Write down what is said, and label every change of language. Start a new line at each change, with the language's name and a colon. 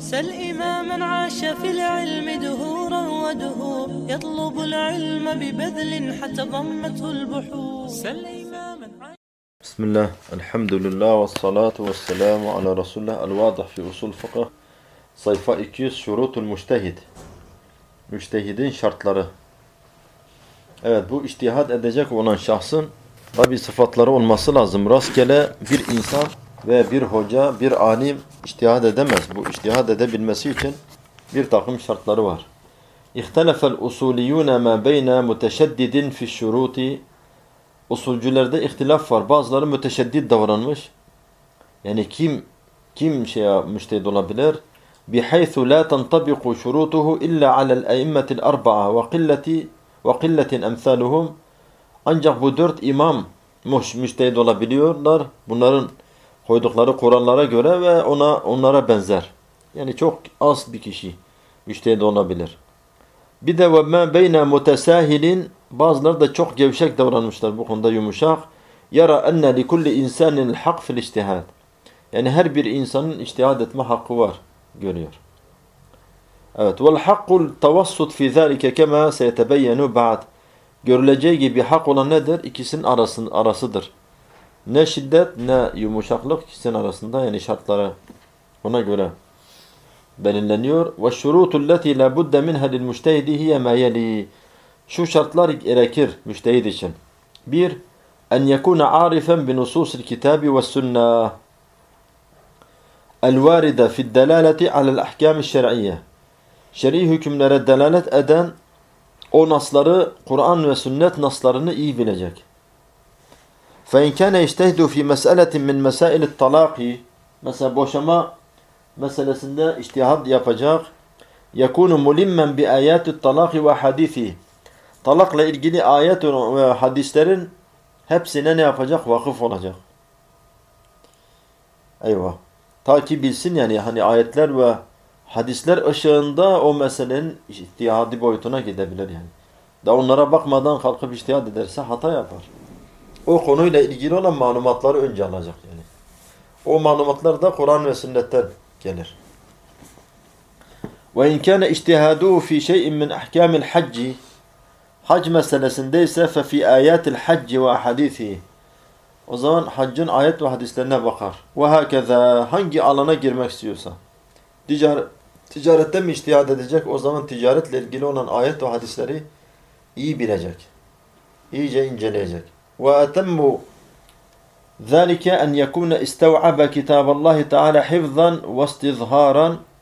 Arabic: سل إماما عاش في العلم دهورا ودهور يطلب العلم ببذل حتى ضمته البحور. سل بسم الله الحمد لله والصلاة والسلام على رسول الله الواضح في أصول الفقه صيفة 200 شروط المجتهد
Turkish: müştehidin şartları. Evet, bu içtihat edecek olan şahsın tabi sıfatları olması lazım. Rastgele bir insan ve bir hoca, bir alim içtihat edemez. Bu içtihat edebilmesi için bir takım şartları var.
Arabic: اِخْتَلَفَ الْاُسُولِيُونَ مَا بَيْنَا مُتَشَدِّدٍ فِي الشُّرُوتِ.
Turkish: Usulcülerde ihtilaf var. Bazıları müteşeddid davranmış. Yani kim şeye müştehid olabilir?
Arabic: بحيث لا تنطبق شروطه إلا على الأئمة الأربعة وقلة أمثالهم.
Turkish: Ancak bu dört imam müştehid olabiliyorlar. Bunların koydukları Kur'an'lara göre ve onlara benzer. Yani çok az bir kişi müştehid olabilir. Bir de
Arabic: وما بين متساهلين.
Turkish: Bazıları da çok gevşek davranmışlar bu konuda, yumuşak.
Arabic: يَرَا أَنَّ لِكُلِّ إِنْسَانٍ الْحَقْ فِي الْاِجْتِهَادِ.
Turkish: Yani her bir insanın içtihad etme hakkı var. Görüyor. Evet.
Arabic: وَالْحَقُّ التَّوَسُّطْ فِي ذَٰلِكَ كَمَا سَيَتَبَيَّنُوا بَعَدْ.
Turkish: Görüleceği gibi hak olan nedir? İkisinin arasıdır. Ne şiddet ne yumuşaklık ikisinin arasında, yani şartlara ona göre belirleniyor.
Arabic: وَالشُّرُوتُ الَّتِي لَبُدَّ مِنْهَا لِلْمُجْتَهِدِ هِيَ مَا يَلِي.
Turkish: Şu şartlar gerekir müştehid için. 1.
Arabic: أَنْ يَكُونَ عَارِفًا بِنُسُوسِ الْكِتَابِ وَالسُّنَّةِ الواردة في الدلالة على الأحكام الشرعية.
Turkish: Şer'i hükümlere delalet eden o nasları, Kur'an ve sünnet naslarını iyi bilecek.
Arabic: فإن كان يجتهد في مسألة من مسائل الطلاق.
Turkish: Mesela boşama meselesinde içtihad yapacak.
Arabic: يكون ملما بآيات الطلاق وحديثه.
Turkish: Talakla ilgili ayet ve hadislerin hepsine ne yapacak? Vakıf olacak. Eyvah. Ta ki bilsin, yani hani ayetler ve hadisler ışığında o meselenin ihtiyadi boyutuna gidebilir yani. Da onlara bakmadan kalkıp ihtiyat ederse hata yapar. O konuyla ilgili olan malumatları önce alacak yani. O malumatlar da Kur'an ve sünnetten gelir.
Arabic: وَاِنْ كَانَ اِجْتِهَادُوا فِي شَيْءٍ مِّنْ اَحْكَامِ الْحَجِّ.
Turkish: Hac meselesinde ise
Arabic: فَفِي آيَاتِ الْحَجِّ وَحَدِيثِهِ.
Turkish: O zaman haccın ayet ve hadislerine bakar.
Arabic: وَهَكَذَا.
Turkish: Hangi alana girmek istiyorsa. Ticarette mi içtihad edecek? O zaman ticaretle ilgili olan ayet ve hadisleri iyi bilecek. İyice inceleyecek.
Arabic: وَاَتَمُّ ذَلِكَ اَنْ يَكُونَ اِسْتَوْعَبَ كِتَابَ اللّٰهِ تَعَالَى حِفْظًا وَاسْتِظْهَارًا.